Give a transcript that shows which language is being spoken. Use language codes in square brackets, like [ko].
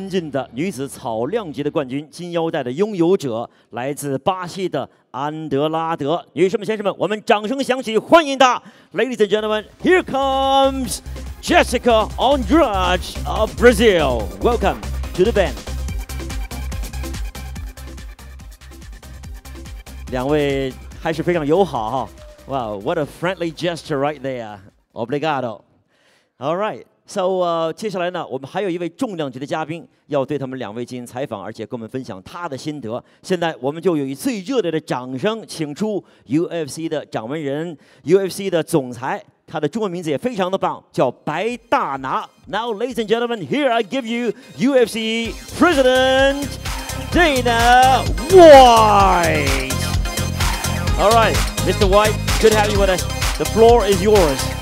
[zh] 的女子草量级的冠军金腰带的拥有者，来自巴西的安德拉德。女士们先生们，我们掌声响起，欢迎她。 [en] Ladies and gentlemen, here comes Jessica Andrade of Brazil. Welcome to the band. [zh] 两位还是非常友好哈。 [en] Wow, what a friendly gesture right there. Obrigado. All right. [zh] So, 接下来呢，我们还有一位重量级的嘉宾要对他们两位进行采访，而且跟我们分享他的心得。现在我们就以最热烈的掌声请出 UFC 的掌门人， UFC 的总裁，他的中文名字也非常的棒，叫白大拿。 [en] Now, ladies and gentlemen, here I give you UFC President Dana White. All right, Mr. White, good to have you with us. The floor is yours.